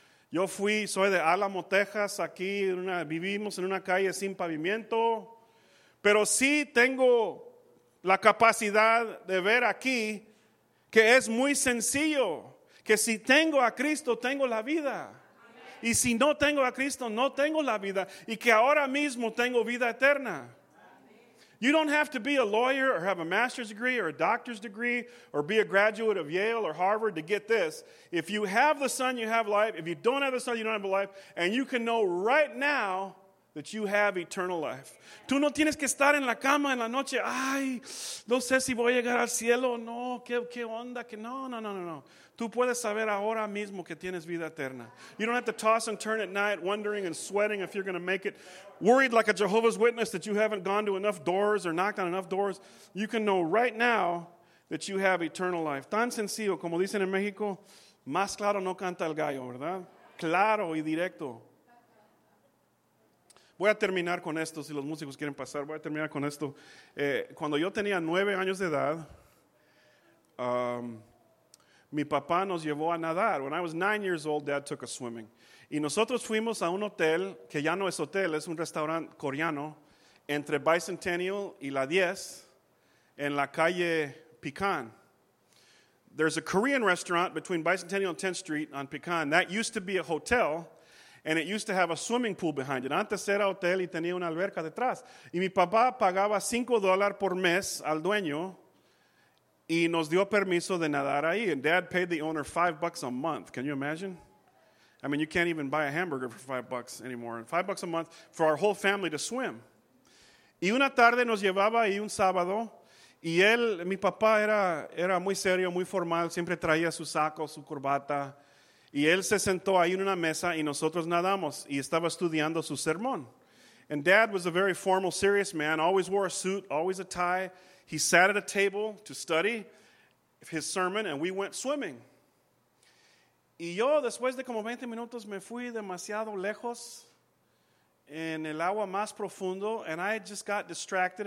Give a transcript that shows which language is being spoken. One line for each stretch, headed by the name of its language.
Spanish: Yo fui, soy de Alamo, Texas, aquí vivimos en una calle sin pavimento. Pero sí tengo la capacidad de ver aquí que es muy sencillo. Que si tengo a Cristo, tengo la vida. Y si no tengo a Cristo, no tengo la vida. Y que ahora mismo tengo vida eterna.
English: You don't have to be a lawyer or have a master's degree or a doctor's degree or be a graduate of Yale or Harvard to get this. If you have the Son, you have life. If you don't have the Son, you don't have life. And you can know right now that you have eternal life.
Spanish: Tú no tienes que estar en la cama en la noche. Ay, no sé si voy a llegar al cielo. No, qué onda. No. Tú puedes saber ahora mismo que tienes vida eterna.
English: You don't have to toss and turn at night, wondering and sweating if you're going to make it. Worried like a Jehovah's Witness that you haven't gone to enough doors or knocked on enough doors. You can know right now that you have eternal life.
Spanish: Tan sencillo, como dicen en México, más claro no canta el gallo, ¿verdad? Claro y directo. Voy a terminar con esto, si los músicos quieren pasar, voy a terminar con esto. Cuando yo tenía 9 años de edad, Mi papá nos llevó a nadar.
English: When I was 9 years old, Dad took us swimming.
Spanish: Y nosotros fuimos a un hotel, que ya no es hotel, es un restaurante coreano, entre Bicentennial y La 10, en la calle Pecan.
English: There's a Korean restaurant between Bicentennial and 10th Street on Pecan. That used to be a hotel, and it used to have a swimming pool behind it.
Spanish: Antes era hotel y tenía una alberca detrás. Y mi papá pagaba $5 por mes al dueño, y nos dio permiso de nadar ahí.
English: And Dad paid the owner $5 a month. Can you imagine? I mean, you can't even buy a hamburger for $5 anymore. $5 a month for our whole family to swim.
Spanish: Y una tarde nos llevaba ahí un sábado. Y él, mi papá, era muy serio, muy formal. Siempre traía su saco, su corbata. Y él se sentó ahí en una mesa y nosotros nadamos. Y estaba estudiando su sermón.
English: And Dad was a very formal, serious man. Always wore a suit, always a tie. He sat at a table to study his sermon and we went swimming.
Spanish: Y yo, después de como 20 minutos, me fui demasiado lejos en el agua más profundo,
English: and I just got distracted.